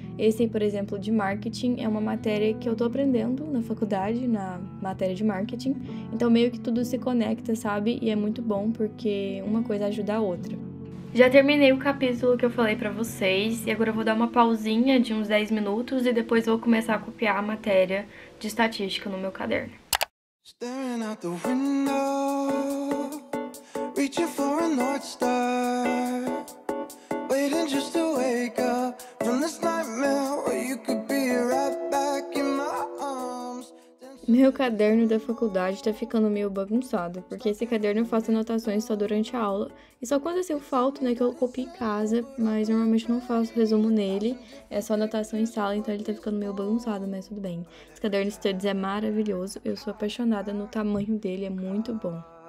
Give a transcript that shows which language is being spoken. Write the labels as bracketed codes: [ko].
[pt] Esse aí, por exemplo, de marketing, é uma matéria que eu tô aprendendo na faculdade, na matéria de marketing. Então meio que tudo se conecta, sabe? E é muito bom porque uma coisa ajuda a outra. Já terminei o capítulo que eu falei para vocês e agora eu vou dar uma pausinha de uns 10 minutos e depois vou começar a copiar a matéria de estatística no meu caderno. [en] Staring out the window, reaching for a North Star, waiting just to wake up from this nightmare where you could be right back in my arms. [pt] Meu caderno da faculdade tá ficando meio bagunçado, porque esse caderno eu faço anotações só durante a aula. E só quando eu falto, né, que eu copio em casa, mas normalmente não faço resumo nele. É só anotação em sala, então ele tá ficando meio bagunçado, mas tudo bem. Esse caderno Studies é maravilhoso, eu sou apaixonada no tamanho dele, é muito bom.